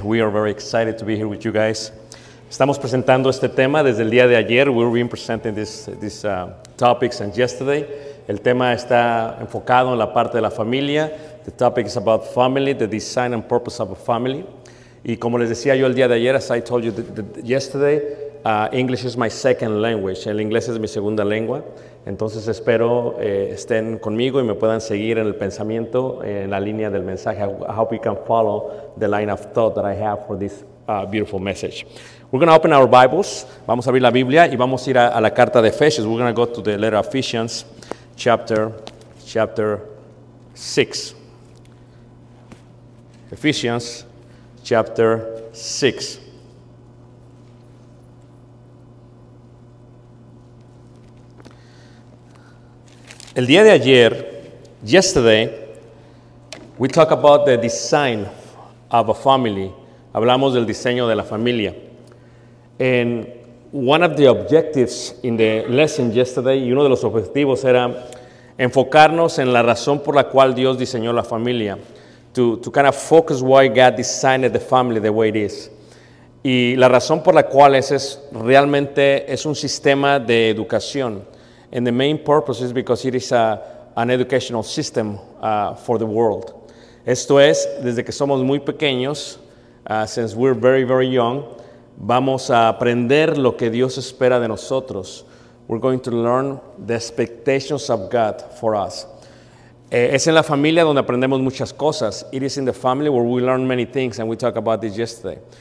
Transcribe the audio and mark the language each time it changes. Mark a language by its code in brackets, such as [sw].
[en] We are very excited to be here with you guys. [es] Estamos presentando este tema desde el día de ayer. [en] We've been presenting these topics since yesterday. [es] El tema está enfocado en la parte de la familia. [en] The topic is about family, the design and purpose of a family. [es] Y como les decía yo el día de ayer, [en] as I told you yesterday, English is my second language. [es] El inglés es mi segunda lengua. Entonces espero estén conmigo y me puedan seguir en el pensamiento, en la línea del mensaje. [en] I hope you can follow the line of thought that I have for this beautiful message. We're going to open our Bibles. [es] Vamos a abrir la Biblia y vamos a ir a la carta de Efesios. [en] We're going to go to the letter of Ephesians, chapter 6. Ephesians, chapter 6. [es] El día de ayer, [en] yesterday, we talk about the design of a family. [es] Hablamos del diseño de la familia. [en] And one of the objectives in the lesson yesterday, [es] y uno de los objetivos era enfocarnos en la razón por la cual Dios diseñó la familia. [en] To kind of focus why God designed the family the way it is. [es] Y la razón por la cual es realmente es un sistema de educación. [en] And the main purpose is because it is an educational system for the world. [es] Esto es, desde que somos muy pequeños, [en] since we're very, very young, [es] vamos a aprender lo que Dios espera de nosotros. [en] We're going to learn the expectations of God for us. [es] Es en la familia donde aprendemos muchas cosas. [en] It is in the family where we learn many things, and we talked about this yesterday.